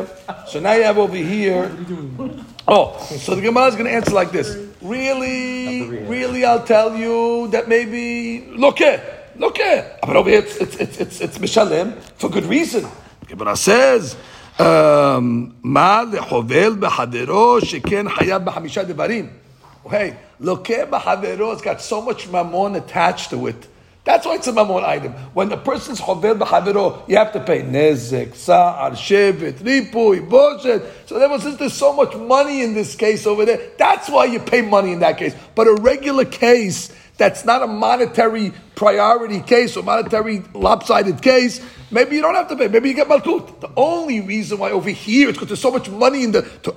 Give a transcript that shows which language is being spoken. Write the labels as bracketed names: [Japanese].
[English] Oh, so the Gemara is going to answer like this. Really, I'll tell you that maybe... Look here. But over here, it's Mishalem for good reason. Gemara says... [Hebrew] מה לחובל בחברו שכן חייב בחמישה דברים? [English] Hey, [Hebrew] לוקה בחברו, [English] it's got so much mamon attached to it. That's why it's a mamon item. When a person's [Hebrew] חובל בחברו, [English] you have to pay [Hebrew] נזק, סער, שבט, ריפוי, בושת. [English] So therefore, since there's so much money in this case over there, that's why you pay money in that case. But a regular case that's not a monetary priority case or monetary lopsided case, maybe you don't have to pay. Maybe you get Malkut. The only reason why over here, it's because there's so much money in the...